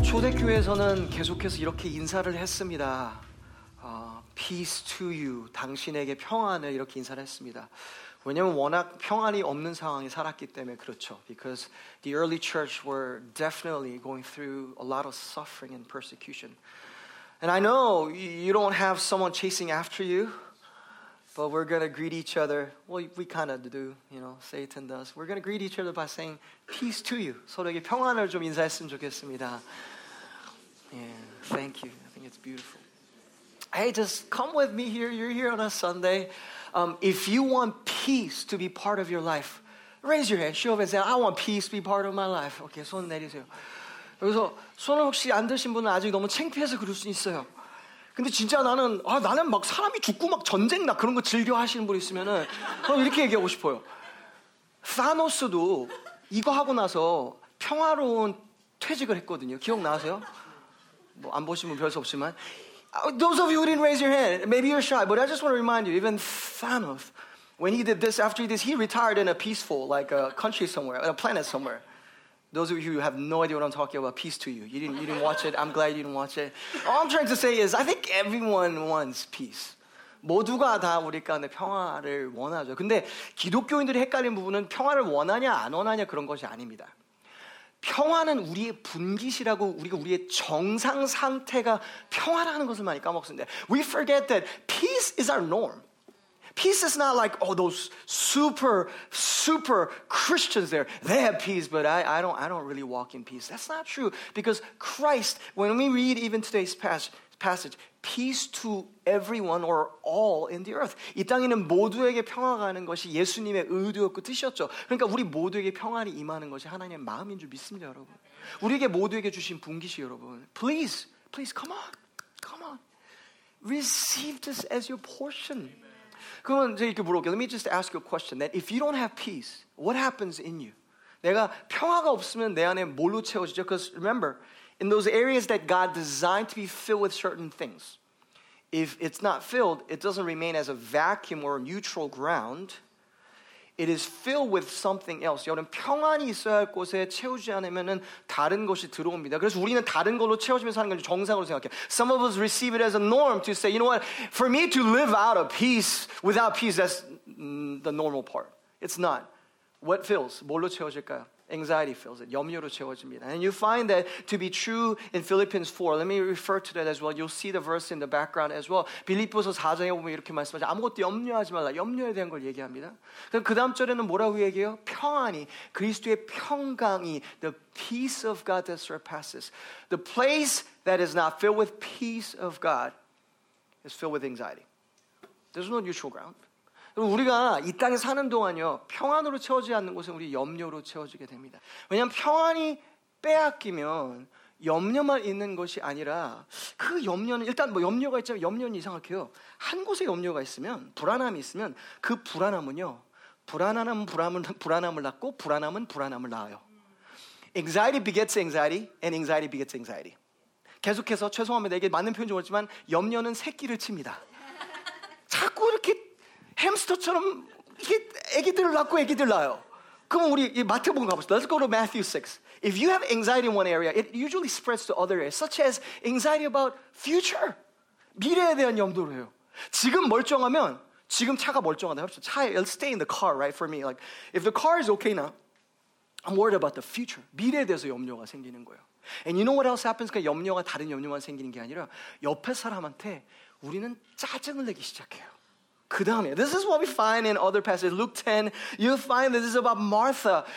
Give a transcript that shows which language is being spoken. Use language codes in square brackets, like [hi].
[ko] 교회에서는 계속해서 이렇게 인사를 했습니다. [en] Peace to you. [ko] 당신에게 평안을 이렇게 인사를 했습니다. 왜냐면 워낙 평안이 없는 상황에 살았기 때문에 그렇죠. [en] Because the early church were definitely going through a lot of suffering and persecution. And I know you don't have someone chasing after you, but we're going to greet each other. Well, we kind of do, you know, Satan does. We're going to greet each other by saying peace to you. [ko] 서로에게 평안을 좀 인사했으면 좋겠습니다. [en] Yeah, thank you. I think it's beautiful. Hey, just come with me here. You're here on a Sunday. If you want peace to be part of your life, raise your hand. Show up and say, I want peace to be part of my life. Okay, [ko] 손 내리세요. 여기서 손을 혹시 안 드신 분은 아직 너무 창피해서 그럴 수 있어요. 근데 진짜 나는 막 사람이 죽고 막 전쟁 나 그런 거 즐겨 하시는 분 있으면은 그럼 이렇게 얘기하고 싶어요. 사노스도 이거 하고 나서 평화로운 퇴직을 했거든요. 기억나세요? 뭐 안 보신 분 별 수 없지만 [en] Those of you who didn't raise your hand, maybe you're shy, but I just want to remind you, even Thanos, when he did this, after this, he retired in a peaceful, like a country somewhere, a planet somewhere. Those of you who have no idea what I'm talking about, peace to you. You didn't watch it. I'm glad you didn't watch it. All I'm trying to say is, I think everyone wants peace. [ko] 모두가 다 우리 가운데 평화를 원하죠. 근데 기독교인들이 헷갈리는 부분은 평화를 원하냐 안 원하냐 그런 것이 아닙니다. 평화는 우리의 분깃이라고 우리가 우리의 정상 상태가 평화라는 것을 많이 까먹습니다. [en] We forget that peace is our norm. Peace is not like all those super, super Christians there. They have peace, but I don't really walk in peace. That's not true. Because Christ, when we read even today's passage, peace to everyone or all in the earth. [ko] 이 땅에는 모두에게 평화가 가는 것이 예수님의 의도였고 뜻이었죠. 그러니까 우리 모두에게 평안이 임하는 것이 하나님의 마음인 줄 믿습니다, 여러분. 우리에게 모두에게 주신 분깃이 여러분. [en] Please, please, come on, come on. Receive this as your portion. [ko] 그러면 제가 이렇게 물어볼게요. [en] Let me just ask you a question. That if you don't have peace, what happens in you? [ko] 내가 평화가 없으면 내 안에 뭘로 채워지죠? [en] Because remember, in those areas that God designed to be filled with certain things, if it's not filled, it doesn't remain as a vacuum or a neutral ground. It is filled with something else. [ko] 여러분, 평안이 있어야 할 곳에 채우지 않으면 다른 것이 들어옵니다. 그래서 우리는 다른 걸로 채워지면서 사는 걸 정상으로 생각해요. [en] Some of us receive it as a norm to say, you know what, for me to live out of peace, without peace, that's the normal part. It's not. What fills? [ko] 뭘로 채워질까요? [en] Anxiety fills it. [ko] 염려로 채워집니다. [en] And you find that to be true in Philippians 4. Let me refer to that as well. You'll see the verse in the background as well. [ko] 빌립보서 4장에 보면 이렇게 말씀하죠. 아무것도 염려하지 말라. 염려에 대한 걸 얘기합니다. 그럼 그 다음 절에는 뭐라고 얘기해요? 평안이, 그리스도의 평강이, [en] the peace of God that surpasses. The place that is not filled with peace of God is filled with anxiety. There's no neutral ground. [ko] 우리가 이 땅에 사는 동안요, 평안으로 채워지지 않는 곳은 우리 염려로 채워지게 됩니다. 왜냐하면 평안이 빼앗기면 염려만 있는 것이 아니라 그 염려는, 일단 뭐 염려가 있지만 염려는 이상하게요. 한 곳에 염려가 있으면, 불안함이 있으면 그 불안함은요, 불안함은 불안함을 낳고 불안함은 불안함을 낳아요. [en] Anxiety begets anxiety and anxiety begets anxiety. [ko] 계속해서 죄송합니다. 이게 맞는 표현인지 모르지만 염려는 새끼를 칩니다. 자꾸 이렇게 햄스터처럼 애기들을 낳고 애기들 낳아요. 그럼 우리 마태복음 가봅시다. [en] Let's go to Matthew 6. If you have anxiety in one area, it usually spreads to other areas, such as anxiety about future. [ko] 미래에 대한 염두를 해요. 지금 멀쩡하면, 지금 차가 멀쩡하다. [en] 차, it'll stay in the car, right, for me. Like, if the car is okay now, I'm worried about the future. [ko] 미래에 대해서 염려가 생기는 거예요. [en] And you know what else happens? [ko] 그러니까 염려가 다른 염려만 생기는 게 아니라 옆에 사람한테 우리는 짜증을 내기 시작해요. 그 다음에, [en] this is what we find in other passages. Luke 10, you'll find that this is about Martha.